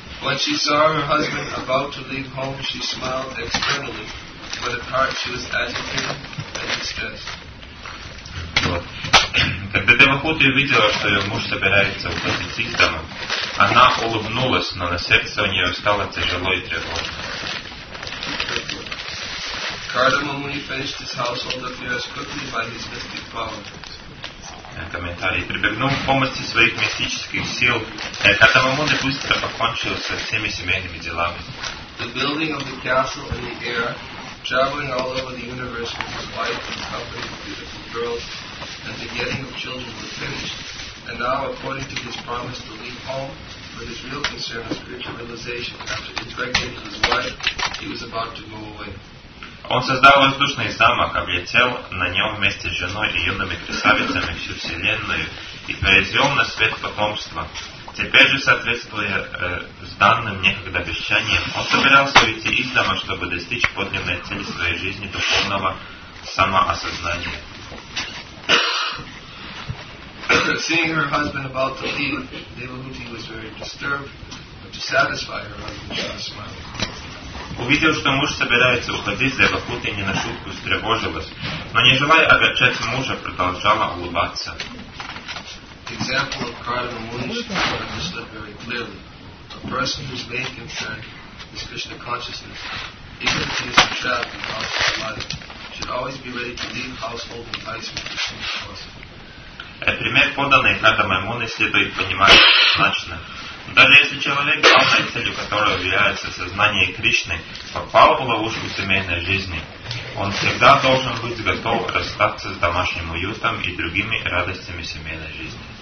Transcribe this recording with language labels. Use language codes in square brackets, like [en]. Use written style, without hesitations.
[en] When she saw her husband about to leave home, she smiled externally, but at heart she was agitated and distressed. [ru] Когда Девахута увидела, что ее муж собирается уходить из дома, она улыбнулась, но на сердце у нее стало тяжело и тревожно. [en] Cardamom, when he finished his household affairs quickly by his mystic power. [ru] Комментарий. Прибегнув к помощи своих мистических сил, Катамамун быстро покончил со всеми семейными делами. [en] The building of the castle in the air, traveling all over the universe with his wife and company of beautiful girls, and the getting of children was finished. And now, according to his promise to leave home, with his real concern of spiritual realization, after interrogating his wife, he was about to go away. [ru] Он создал воздушный замок, облетел на нем вместе с женой и юными красавицами всю вселенную и произвел на свет потомство. Теперь же, соответствуя с данным некогда обещанием, он собирался уйти из дома, чтобы достичь подлинной цели своей жизни, духовного самоосознания. [en] Seeing her husband about to leave, Devahuti was very disturbed, but to satisfy her husband, she smiled. [ru] Увидев, что муж собирается уходить, Девахута не на шутку встревожилась, но не желая огорчать мужа, продолжала улыбаться. [en] Example of Cardinal Muni should be understood very clearly. A person whose main concern is Krishna consciousness, even if he is entrapped in conscious life, should always be ready to leave household and place with Krishna consciousness. [ru] Пример, поданный Кардамой Муни, следует понимать однозначно. Даже если человек, главной целью которого является сознание Кришны, попал в ловушку семейной жизни, он всегда должен быть готов расстаться с домашним уютом и другими радостями семейной жизни.